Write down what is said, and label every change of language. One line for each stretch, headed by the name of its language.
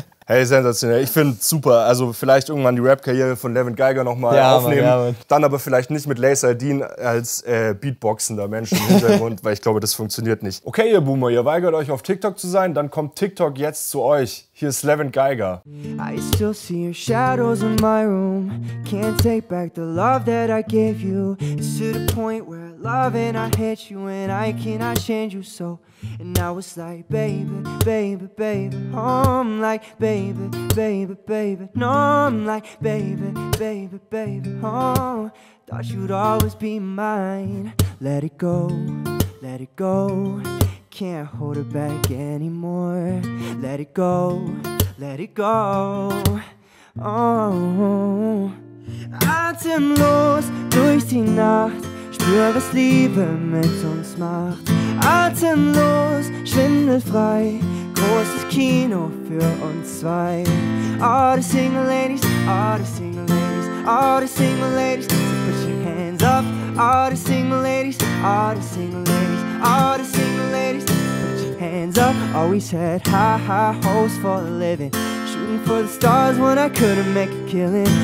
German: Hey, sensationell. Ich finde super. Also vielleicht irgendwann die Rap-Karriere von Levent Geiger nochmal aufnehmen. Mann, ja, Mann. Dann aber vielleicht nicht mit Laser Dean als beatboxender Mensch im Hintergrund, weil ich glaube, das funktioniert nicht. Okay, ihr Boomer, ihr weigert euch auf TikTok zu sein, dann kommt TikTok jetzt zu euch. Hier ist Levent Geiger.
English: I still see your shadows in my room. Can't take back the love that I gave you. It's to the point where I love and I hate you and I cannot change you so. And now it's like, baby, baby, baby, I'm like, baby, baby, baby, no, I'm like, baby, baby, baby, oh, thought you'd always be mine. Let it go, let it go, can't hold it back anymore. Let it go, let it go, oh,
German: atemlos durch die Nacht. Spür, was Liebe mit uns macht. Atemlos, schwindelfrei. Großes Kino für uns zwei.
English: All the single ladies, all the single ladies, all the single ladies, so put your hands up. All the single ladies, all the single ladies, all the single ladies, put your hands up. Always had high, high hopes for a living. Shooting for the stars when I couldn't make a killing.